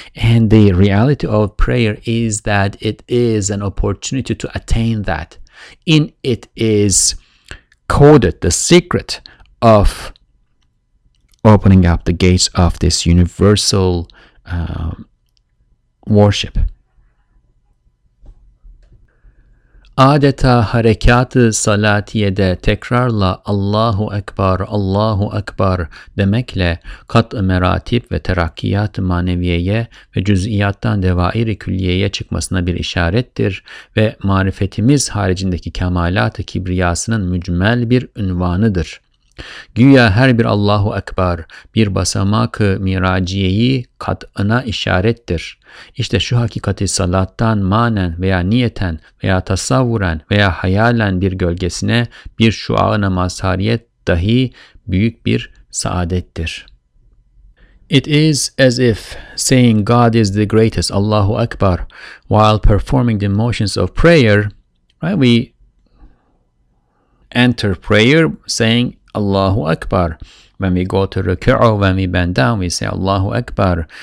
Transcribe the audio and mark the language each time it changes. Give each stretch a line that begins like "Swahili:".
English: And the reality of prayer is that it is an opportunity to attain that. In it is coded the secret of opening up the gates of this universal worship.
Turkish: Adeta harekat-ı salatiyede tekrarla Allahu Ekber, Allahu Ekber demekle kat-ı meratip ve terakkiyat-ı maneviyeye ve cüz'iyattan devair-i külliyeye çıkmasına bir işarettir ve marifetimiz haricindeki kemalat-ı kibriyasının mücmel bir ünvanıdır. Güya her bir Allahu Ekber bir basamak-ı miraciyeyi kat'ına işarettir. İşte şu hakikati salattan manen veya niyeten veya tasavvuren veya hayalen bir gölgesine bir şua'ına mazhariyet dahi büyük bir saadettir.
English: It is as if saying God is the greatest, Allahu Ekber, while performing the motions of prayer, right? We enter prayer saying Allahu Akbar. When we go to ruku', when we bend down, we say Allahu Akbar.